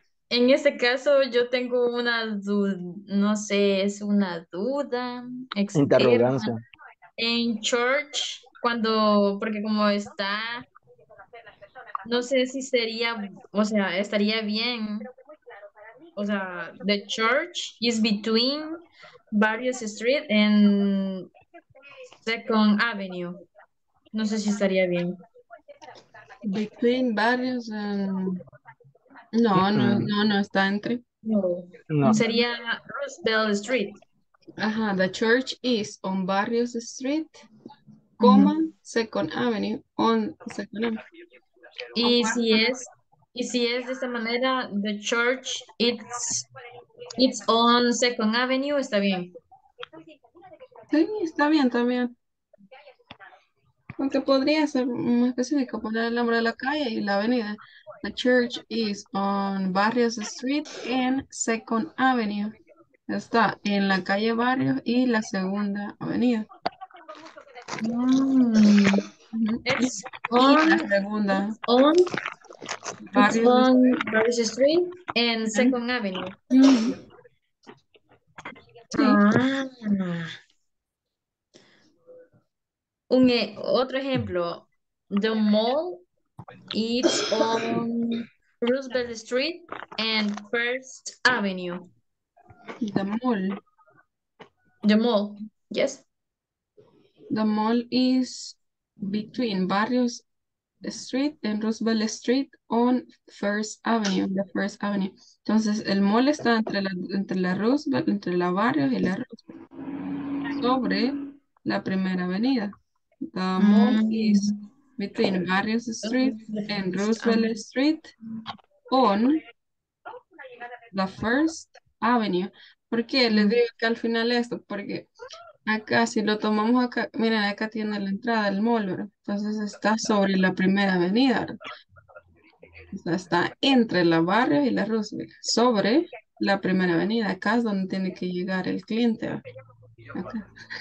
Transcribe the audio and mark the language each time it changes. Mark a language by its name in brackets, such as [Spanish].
[Spanish] En este caso, yo tengo una duda, no sé, es una duda. Interrogancia. En church, cuando, porque como está, no sé si sería, o sea, estaría bien. O sea, [English] the church is between Barrios Street and Second Avenue. [Spanish] No sé si estaría bien. [English] Between Barrios and... [Spanish] No, mm-hmm. no está entre. No. Sería Roosevelt Street. [English] Ajá, the church is on Barrios Street, comma, mm-hmm. Second Avenue, on Second Avenue. [Spanish] Y si es... Y si es de esta manera, [English] the church, it's on Second Avenue, [Spanish] está bien. Sí, está bien también. Aunque podría ser más específico, poner el nombre de la calle y la avenida. [English] The church is on Barrios Street and Second Avenue. [Spanish] Está en la calle Barrios y la Segunda Avenida. Mm. [English] It's on [Spanish] la segunda. [English] On Barrios Street and Second Avenue. Mm-hmm. Ah. [Spanish] Otro ejemplo. [English] The mall is on Roosevelt Street and First Avenue. The mall, yes. The mall is between Barrios Street en Roosevelt Street on First Avenue, the First Avenue. [Spanish] Entonces el mall está entre la Roosevelt, entre la Barrios y la Roosevelt. sobre la primera avenida. [English] The mall is between Barrios Street and Roosevelt Street on the First Avenue. [Spanish] ¿Por qué les digo que al final esto? Porque acá, si lo tomamos acá, miren, acá tiene la entrada, el mall, ¿verdad? Entonces está sobre la primera avenida, ¿verdad? O sea, está entre la barrio y la Roosevelt, sobre la primera avenida. Acá es donde tiene que llegar el cliente, ¿verdad? Acá.